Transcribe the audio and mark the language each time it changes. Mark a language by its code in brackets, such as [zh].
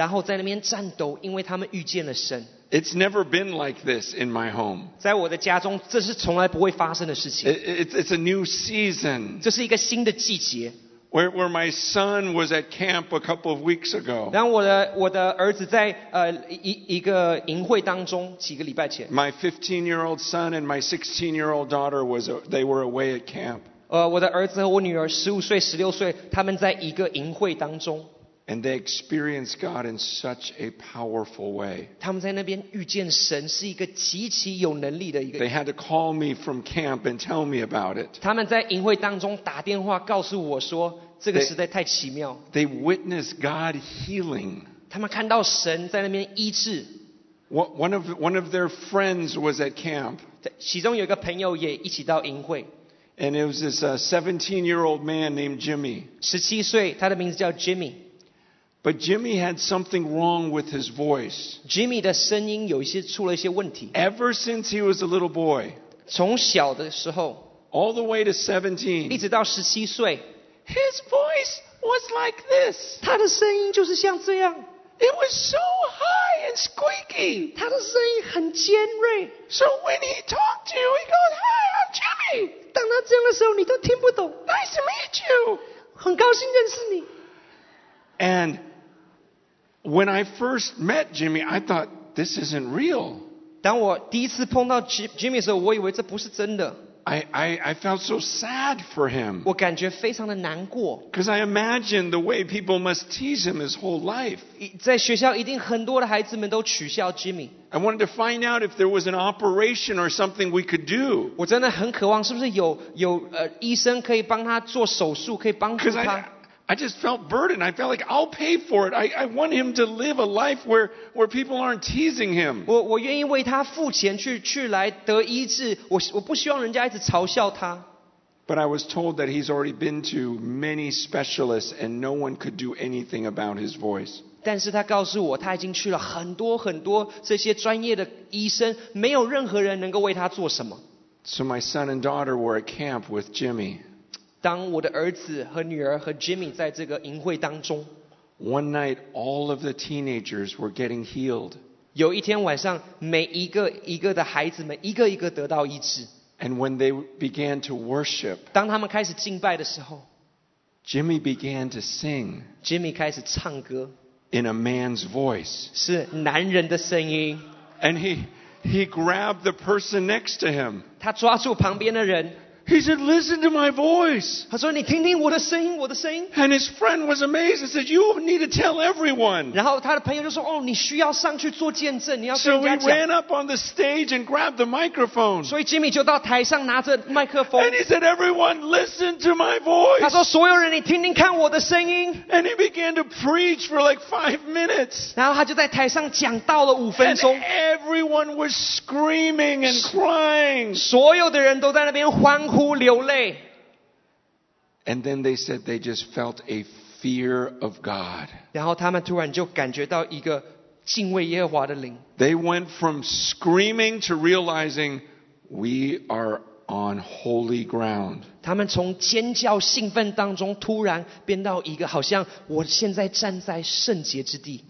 [zh] 我的孩子们在家中哭泣，然后在那边颤抖，因为他们遇见了神。 [en] It's never been like this in my home. [zh] 在我的家中，这是从来不会发生的事情。 [en] It's a new season. [zh] 这是一个新的季节。 [en] Where my son was at camp a couple of weeks ago. [zh] 然后我的儿子在一个营会当中几个礼拜前。 [en] My 15-year-old son and my 16-year-old daughter were away at camp. [zh] 我的儿子和我女儿15岁、16岁，他们在一个营会当中。 [en] And they experienced God in such a powerful way. [zh] 他们在那边遇见神是一个极其有能力的一个。 [en] They had to call me from camp and tell me about it. [zh] 他们在营会当中打电话告诉我说。 [en] They witnessed God healing. [zh] 他们看到神在那边医治。 [en] One of their friends was at camp. [zh] 其中有一个朋友也一起到营会。 [en] And it was this 17-year-old man named Jimmy. [zh] 17岁，他的名字叫Jimmy。 [en] But Jimmy had something wrong with his voice. [zh] Jimmy的声音有一些出了一些问题。 [en] Ever since he was a little boy. [zh] 从小的时候。 [en] All the way to 17. [zh] 一直到17岁。 [en] His voice was like this. [zh] 他的声音就是像这样。 [en] It was so high and squeaky. [zh] 他的声音很尖锐。 [en] So when he talked to you, he goes, "Hi, I'm Jimmy." [zh] 当他这样的时候，你都听不懂。 [en] Nice to meet you. [zh] 很高兴认识你。 [en] And when I first met Jimmy, I thought this isn't real. [zh] 当我第一次碰到 Jimmy 的时候，我以为这不是真的。 [en] I felt so sad for him. [zh] 我感觉非常的难过。 [en] Because I imagine the way people must tease him his whole life. [zh] 在学校一定很多的孩子们都取笑 Jimmy。 [en] I wanted to find out if there was an operation or something we could do. [zh] 我真的很渴望是不是有医生可以帮他做手术，可以帮助他。 [en] I just felt burdened. I felt like I'll pay for it. I want him to live a life where people aren't teasing him. [zh] 我愿意为他付钱去来得医治。我不希望人家一直嘲笑他。 [en] But I was told that he's already been to many specialists and no one could do anything about his voice. [zh] 但是他告诉我，他已经去了很多很多这些专业的医生，没有任何人能够为他做什么。 [en] So my son and daughter were at camp with Jimmy. [zh] 当我的儿子和女儿和 Jimmy 在这个营会当中 [en] ，One night all of the teenagers were getting healed. [zh] 有一天晚上，每一个一个的孩子们一个一个得到医治。 [en] And when they began to worship, [zh] 当他们开始敬拜的时候 [en] ，Jimmy began to sing. [zh] Jimmy 开始唱歌 [en] ，in a man's voice. [zh] 是男人的声音。 [en] And he grabbed the person next to him. [zh] 他抓住旁边的人。 [en] He said, listen to my voice. [zh] 他说你听听我的声音，我的声音。 [en] And his friend was amazed and said, you need to tell everyone. [zh] 然后他的朋友就说，哦，你需要上去做见证，你要跟人家讲。 [en] So he ran up on the stage and grabbed the microphone. [zh] 所以 Jimmy 就到台上拿着麦克风。 [en] And he said, everyone, listen to my voice. [zh] 他说所有人你听听看我的声音。 [en] And he began to preach for like 5 minutes. [zh] 然后他就在台上讲到了5分钟。 [en] And everyone was screaming and crying. [zh] 所有的人都在那边欢呼。 [en] And then they said they just felt a fear of God. [zh] 然后他们突然就感觉到一个敬畏耶和华的灵。 [en] They went from screaming to realizing we are on holy ground. [zh] 他们从尖叫兴奋当中突然变到一个好像我现在站在圣洁之地。